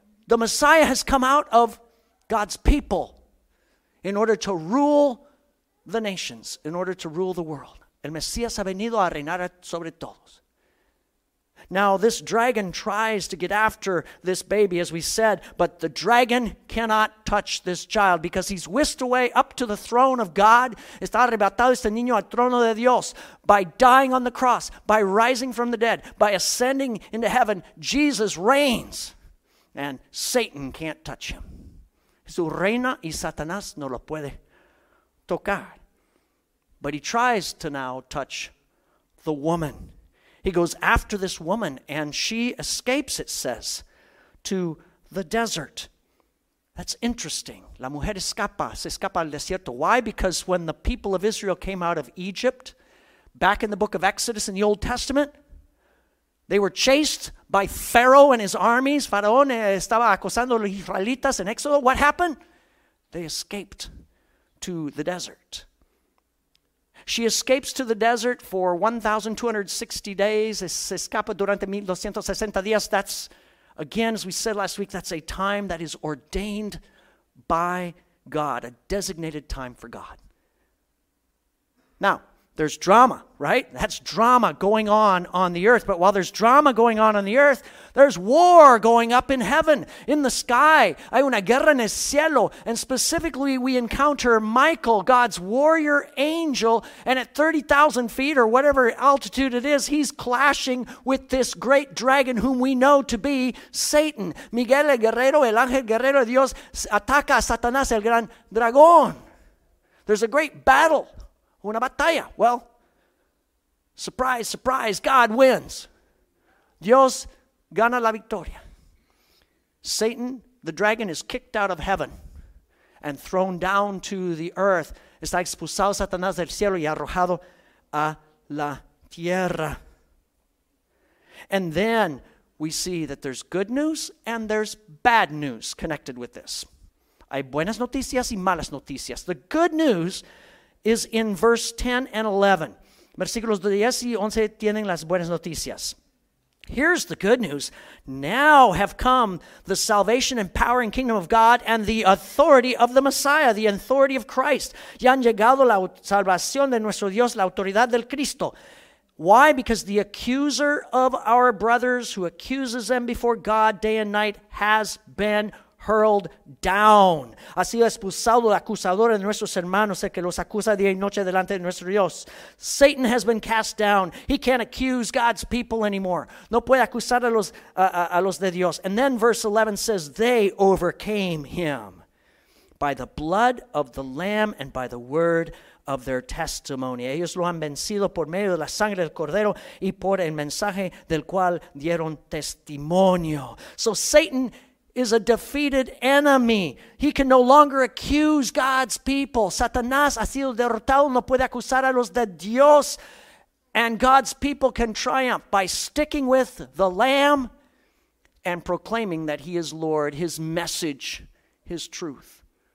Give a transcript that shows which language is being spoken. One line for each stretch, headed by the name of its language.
English: The Messiah has come out of God's people in order to rule the nations, in order to rule the world.
Spanish: El Mesías ha venido a reinar sobre todos.
English: Now, this dragon tries to get after this baby, as we said, but the dragon cannot touch this child because he's whisked away up to the throne of God.
Spanish: Está arrebatado este niño al trono de Dios.
English: By dying on the cross, by rising from the dead, by ascending into heaven, Jesus reigns, and Satan can't touch him.
Spanish: Su reina y Satanás no lo puede tocar.
English: But he tries to now touch the woman. He goes after this woman, and she escapes, it says, to the desert. That's interesting.
Spanish: La mujer escapa, se escapa al desierto.
English: Why? Because when the people of Israel came out of Egypt, back in the book of Exodus in the Old Testament, they were chased by Pharaoh and his armies.
Spanish: Faraón estaba acosando a los israelitas en Éxodo.
English: What happened? They escaped to the desert. She escapes to the desert for 1,260 days.
Spanish: Se escapa durante 1,260 días.
English: That's, again, as we said last week, that's a time that is ordained by God, a designated time for God. Now, there's drama, right? That's drama going on the earth. But while there's drama going on the earth, there's war going up in heaven, in the sky.
Spanish: Hay una guerra en el cielo.
English: And specifically, we encounter Michael, God's warrior angel. And at 30,000 feet or whatever altitude it is, he's clashing with this great dragon whom we know to be Satan.
Spanish: Miguel Guerrero, el ángel guerrero de Dios, ataca a Satanás, el gran dragón.
English: There's a great battle.
Spanish: Una batalla.
English: Well, surprise, surprise, God wins.
Spanish: Dios gana la victoria.
English: Satan, the dragon, is kicked out of heaven and thrown down to the earth.
Spanish: Está expulsado Satanás del cielo y arrojado a la tierra.
English: And then we see that there's good news and there's bad news connected with this.
Spanish: Hay buenas noticias y malas noticias.
English: The good news is in verse 10 and 11.
Spanish: Versículos 10 y 11 tienen las buenas noticias.
English: Here's the good news. Now have come the salvation and power and kingdom of God and the authority of the Messiah, the authority of Christ.
Spanish: Ya han llegado la salvación de nuestro Dios, la autoridad del Cristo.
English: Why? Because the accuser of our brothers who accuses them before God day and night has been hurled down.
Spanish: Ha sido expulsado el acusador de nuestros hermanos, el que los acusa día y noche delante de nuestro Dios.
English: Satan has been cast down. He can't accuse God's people anymore.
Spanish: No puede acusar a los de Dios.
English: And then verse 11 says, they overcame him by the blood of the Lamb and by the word of their testimony.
Spanish: Ellos lo han vencido por medio de la sangre del cordero y por el mensaje del cual dieron testimonio.
English: So Satan is a defeated enemy. He can no longer accuse God's people.
Spanish: Satanás ha sido derrotado, no puede acusar a los de Dios.
English: And God's people can triumph by sticking with the Lamb and proclaiming that he is Lord, his message, his truth.